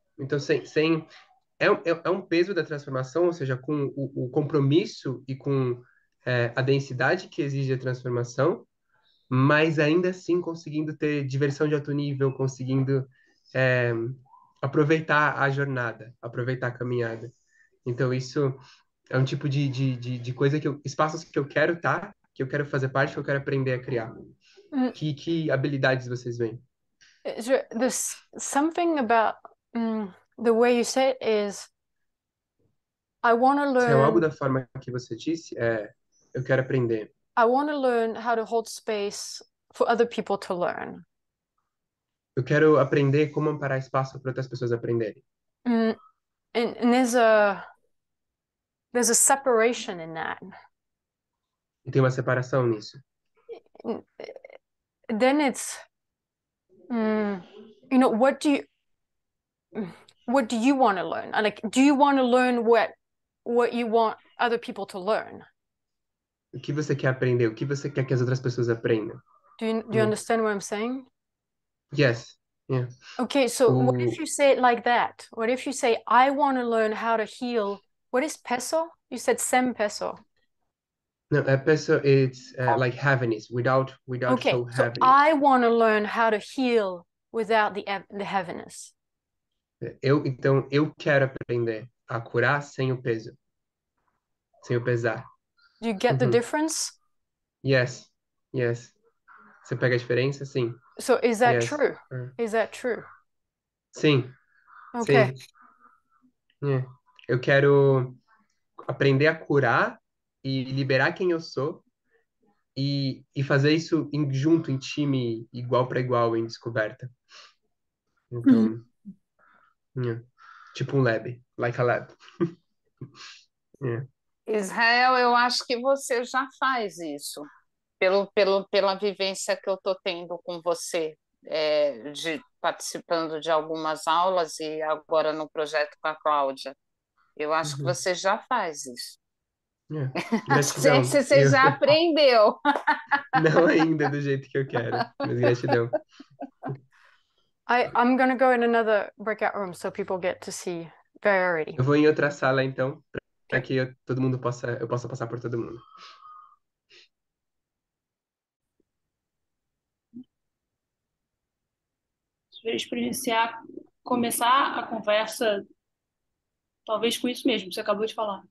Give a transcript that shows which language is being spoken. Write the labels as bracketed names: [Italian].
[Portuguese] Então, sem é um peso da transformação, ou seja, com o compromisso e com a densidade que exige a transformação, mas ainda assim conseguindo ter diversão de alto nível, conseguindo aproveitar a jornada, aproveitar a caminhada. Então, isso é um tipo de coisa que eu, espaços que eu quero estar, que eu quero fazer parte, que eu quero aprender a criar. Que habilidades vocês veem? [English] There's something about the way you say it is I want to [Portuguese] Se é algo [English] learn [Portuguese] da forma que você disse, eu quero aprender. [English] I want to learn how to hold space for other people to learn. [Portuguese] Eu quero aprender como amparar espaço para outras pessoas aprenderem. [English] And there's a separation in that. [Portuguese] E tem uma separação nisso. [English] Then it's you know, what do you want to learn? Like, do you want to learn what you want other people to learn? [Portuguese] O que você quer aprender? O que você quer que as outras pessoas aprendam? [English] Do you understand what I'm saying? Yes. Yeah. Okay, so what if you say it like that? What if you say, I want to learn how to heal? What is peso? You said sem peso. No, peso it's like heaviness, without okay, so so heaviness. I want to learn how to heal without the heaviness. [Portuguese] Então eu quero aprender a curar sem o peso, sem o pesar. [English] Do you get the difference? Yes, yes. [Portuguese] Você pega a diferença? Sim. [English] So is that Yes. true? Is that true? [Portuguese] Sim. [English] Okay. [Portuguese] Sim. É. Eu quero aprender a curar e liberar quem eu sou e fazer isso junto, em time, igual para igual, em descoberta. Então, Tipo um lab, [English] like a lab. Yeah. [Portuguese] Israel, eu acho que você já faz isso, pela vivência que eu estou tendo com você, de participando de algumas aulas e agora no projeto com a Cláudia. Eu acho que você já faz isso. [English] Yeah. [Portuguese] Você Gratidão. já aprendeu. Não ainda do jeito que eu quero, mas gratidão. [English] I'm going to go in another breakout room so people get to see variety. [Portuguese] Eu vou em outra sala então, para que todo mundo possa, eu possa passar por todo mundo. Talvez para iniciar, começar a conversa, talvez com isso mesmo, você acabou de falar.